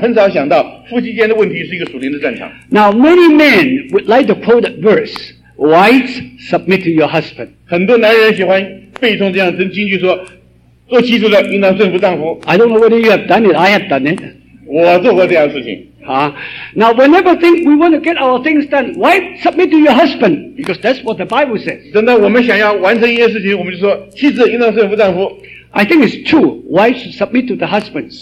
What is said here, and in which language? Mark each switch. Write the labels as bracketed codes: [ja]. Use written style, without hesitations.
[zh] 我们讲到这个属灵征战的时候,很少想到夫妻间的问题是一个属灵的战场。 [en] Now many men would like to quote a verse, wives submit to your husband. [zh] 很多男人喜欢背诵这样的经句说,做妻子的应当顺服丈夫。 [en] I don't know whether you have done it, I have done it. [zh] 我做过这样的事情。 [en] Now, whenever think we want to get our things done, wife, submit to your husband, because that's what the Bible says. [zh] 等到我们想要完成一件事情,我们就说,妻子应当顺服丈夫。 [en] I think it's true, wife should submit to the husbands.